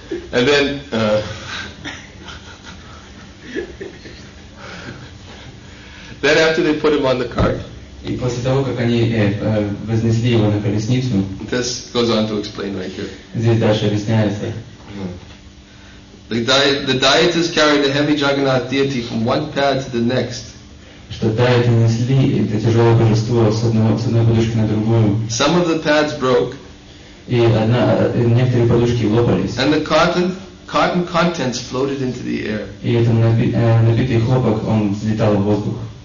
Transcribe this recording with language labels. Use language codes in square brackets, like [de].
[en] And then then after they put him on the cart, [ru] и после того, как они вознесли его на колесницу, [en] this goes on to explain right here. [ru] Здесь дальше объясняется. [en] The dieters carried the heavy Jagannath deity from one pad to the next. Some of the pads broke. And the cotton contents floated into the air.